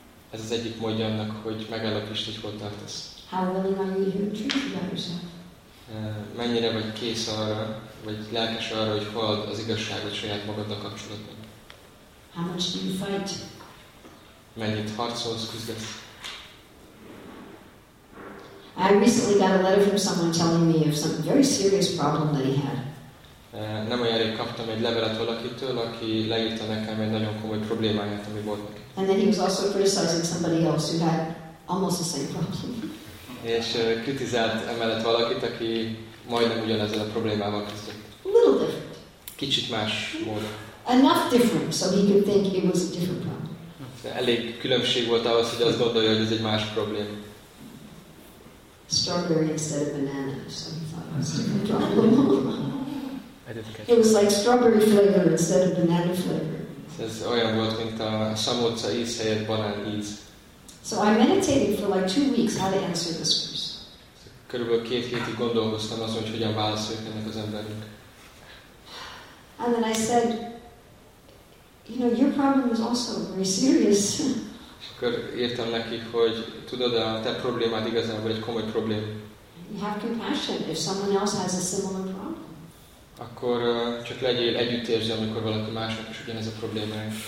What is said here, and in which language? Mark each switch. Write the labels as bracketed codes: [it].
[hu] Ez az egyik módja annak, hogy megállapítsd, hogy hol tartasz. [en] How willing are you to hear the truth about yourself? [hu] Mennyire vagy kész arra, vagy lelkes arra, hogy hallod az igazságot saját magaddal kapcsolatban? [en] How much do you fight? [hu] Mennyit harcolsz, küzdesz? [en] I recently got a letter from someone telling me of some very serious problem that he had. [hu] Nem olyan rég kaptam egy levelet valakitől, aki leírta nekem egy nagyon komoly problémáját, ami volt neki. [en] And then he was also criticizing somebody else who had almost the same problem. [hu] És kritizált emellett valakit, aki majdnem ugyanezzel a problémával küzdött. [en] A little different. [hu] Kicsit más módon. [en] Enough different, so he could think it was a different problem. [hu] Elég különbség volt ahhoz, hogy azt gondolja, hogy ez egy más probléma. [en] Strawberry instead of banana, so he thought it was a different problem. It was like strawberry flavor instead of banana flavor. [hu] Ez olyan volt, mint a szamóca íz helyett banán íz. [en] So I meditated for like 2 weeks how to answer this person. [hu] Körülbelül 2 hétig gondolkoztam azon, hogy hogyan válaszoljak ennek az embernek. [en] And then I said, you know, your problem is also very serious. [hu] És akkor írtam neki, hogy tudod, a te problémád igazából egy komoly probléma. [en] You have compassion if someone else has a similar problem. [hu] Akkor csak legyél együttérző, amikor valaki másnak is ugyanez a problémája.